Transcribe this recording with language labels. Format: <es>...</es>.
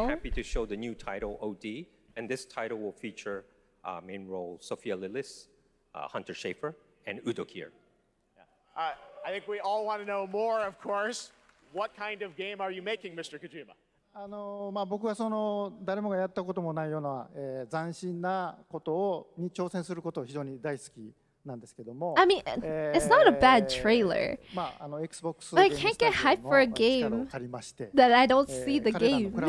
<en>Really happy to show the new title, OD. And this title will feature main role Sophia Lillis, Hunter Schafer, and Udo Kier. I think we all want to know more, of course. What kind of game are you making, Mr. Kojima?</en> <ja>まあ、僕はその誰もがやったこともないような、斬新なことをに挑戦することを非常に大好き。</ja> <en>I mean, it's not a bad trailer. Xbox but I can't get hyped for a game that I don't see the game.</en>